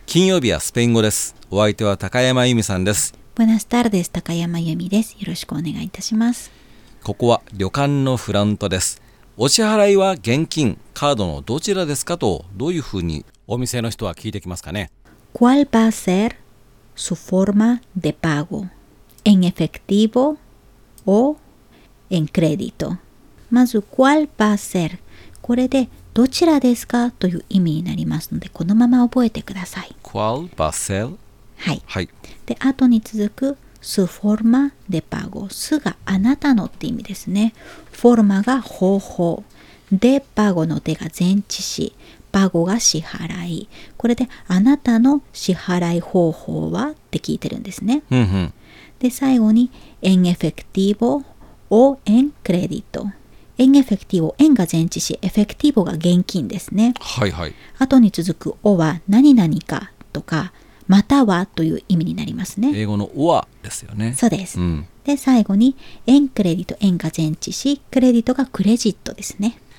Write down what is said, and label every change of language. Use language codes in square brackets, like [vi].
[ja] 金曜日はスペイン語です。お相手は高山由美さんです。 [es] Buenas tardes, [ja] 高山由美です。よろしくお願いいたします。ここは旅館のフラントです。お支払いは現金、カードのどちらですかと、どういうふうにお店の人は聞いてきますかね。 [es] ¿Cuál va a ser su forma de pago? ¿En efectivo o en crédito? まず ¿Cuál va a ser? [ja] これでどちらですかという意味になりますので、このまま覚えてください。 [es] ¿Cuál va a ser? [ja] はい、はい、で後に続く [es] su forma de pago、 [ja] すがあなたのって意味ですね。 forma が方法、で pago の手が前置詞、パゴが支払い、これであなたの支払い方法はって聞いてるんですね、うんうん、で最後に [es] en efectivo o en crédito。 [ja] en efectivo、 en が前置詞、 efectivo が現金ですね、はいはい、後に続く o は何々かとか、またはという意味になりますね。英語の or ですよね。そうです、うん、で最後に en crédito、 en が前置詞、 crédito がクレジットですね。